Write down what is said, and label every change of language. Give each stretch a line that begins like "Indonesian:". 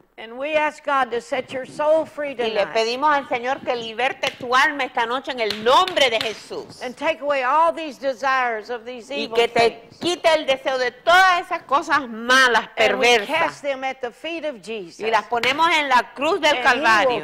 English: And we ask God to set your soul free tonight.
Spanish: Y le pedimos al Señor que liberte tu alma esta noche en el nombre de Jesús.
English: And take away all these desires of these evil things.
Spanish: Y que te quite el deseo de todas esas cosas malas, perversas.
English: And we cast them at the feet of Jesus.
Spanish: Y las ponemos en la cruz del Calvario.